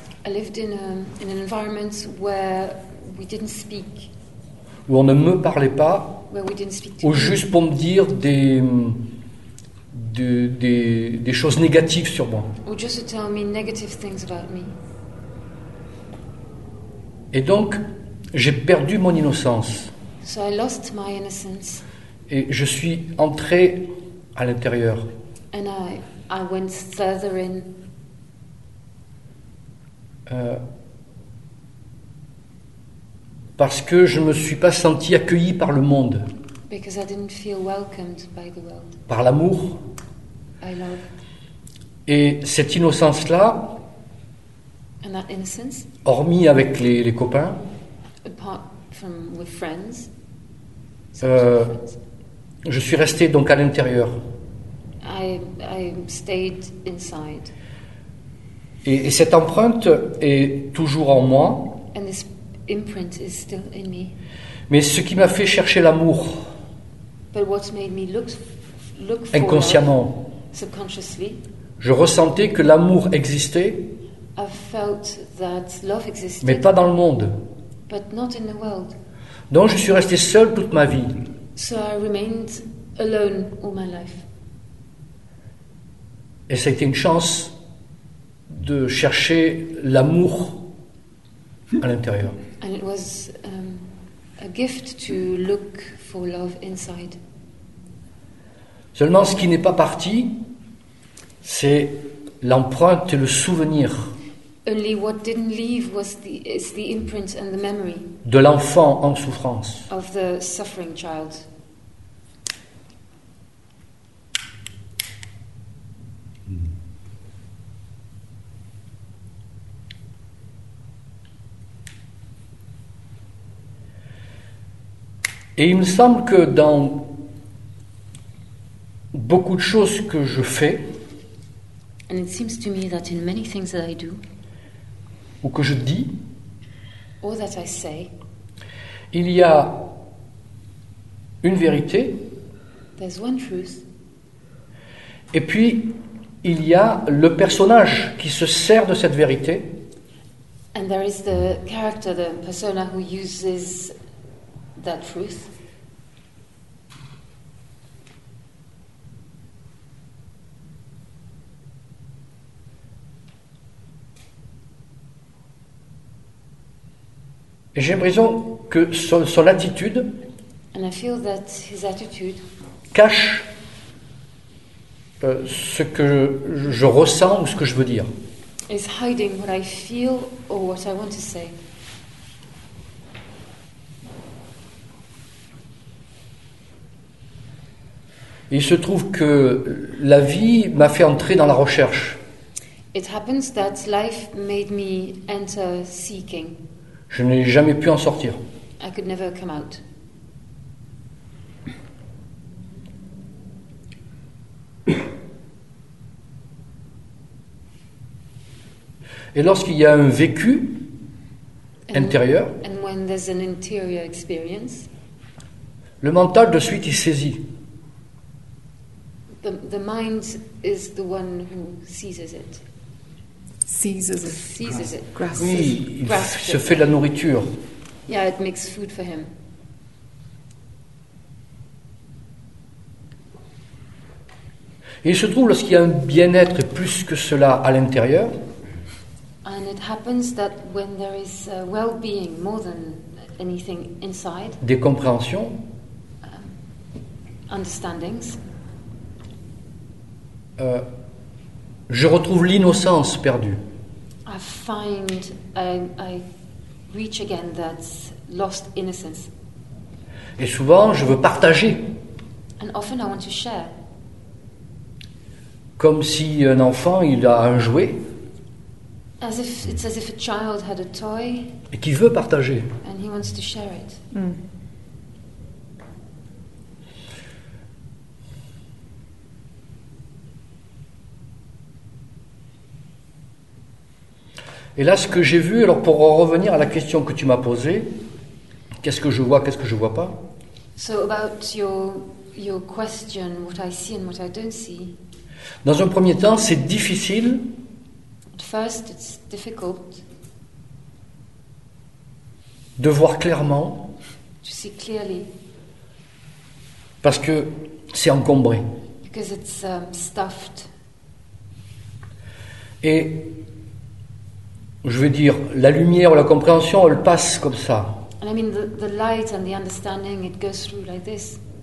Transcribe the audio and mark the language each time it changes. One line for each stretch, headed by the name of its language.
English: I lived in an environment where we didn't speak.
French: Où on ne me parlait pas.
English: Where we didn't speak to ou people.
French: Juste pour me dire des choses négatives sur moi.
English: Or just to tell me negative things about me.
French: Et donc, j'ai perdu mon innocence.
English: So I lost my innocence.
French: Et je suis entré à l'intérieur.
English: And I went further in.
French: Parce que je ne me suis pas senti accueilli par le monde.
English: Because I didn't feel welcomed by the world.
French: Par l'amour.
English: I love.
French: Et cette innocence-là,
English: and that innocence,
French: hormis avec les copains,
English: apart from with friends,
French: je suis resté donc à l'intérieur.
English: I stayed inside.
French: Et cette empreinte est toujours en moi.
English: And this imprint is still in me.
French: Mais ce qui m'a fait chercher l'amour,
English: but what made me look for
French: inconsciemment,
English: subconsciously,
French: je ressentais que l'amour existait,
English: I felt that love existed,
French: mais pas dans le monde.
English: But not in the world.
French: Donc je suis resté seul toute ma vie.
English: So I remained alone all my life.
French: Et ça a été une chance de chercher l'amour à l'intérieur.
English: And it was a gift to look for love inside.
French: Seulement, ce qui n'est pas parti, c'est l'empreinte et le souvenir.
English: Only what didn't leave was the imprint and the memory.
French: De l'enfant en souffrance.
English: Of the suffering child.
French: Et il me semble que dans beaucoup de choses que je fais,
English: and it seems to me that in many things that I do,
French: ou que je dis,
English: or that I say,
French: il y a une vérité,
English: there's one truth,
French: et puis il y a le personnage qui se sert de cette vérité,
English: and there is the character, the persona who uses that truth.
French: Et j'ai l'impression que son attitude,
English: and I feel that his attitude
French: cache ce que je ressens ou ce que je veux dire.
English: Is hiding what I feel or what I want to say.
French: Il se trouve que la vie m'a fait entrer dans la recherche.
English: It happens that life made me enter seeking.
French: Je n'ai jamais pu en sortir.
English: I could never come out.
French: Et lorsqu'il y a un vécu intérieur,
English: and when there's an interior experience,
French: le mental de suite est saisi.
English: The mind is the one who seizes it. Seizes it.
French: Oui, il se fait de la nourriture.
English: Yeah, it makes food for him.
French: Et il se trouve lorsqu'il y a un bien-être et plus que cela à l'intérieur.
English: And it happens that when there is a well-being more than anything inside.
French: Des compréhensions.
English: Understandings.
French: Je retrouve l'innocence perdue.
English: I find I reach again that lost innocence.
French: Et souvent, je veux partager.
English: And often I want to share.
French: Comme si un enfant, il a un jouet.
English: As if it's as if a child had a toy.
French: Et qui veut partager.
English: And he wants to share it. Mm.
French: Et là, ce que j'ai vu, alors pour revenir à la question que tu m'as posée, qu'est-ce que je vois, qu'est-ce que je vois pas?
English: So about your question, what I see and what I don't see.
French: Dans un premier temps, c'est difficile.
English: At first, it's difficult.
French: De voir clairement.
English: To see clearly.
French: Parce que c'est encombré.
English: Because it's stuffed.
French: Et je veux dire, la lumière ou la compréhension, elle passe comme ça.
English: And I mean the light and the understanding, it goes through like this.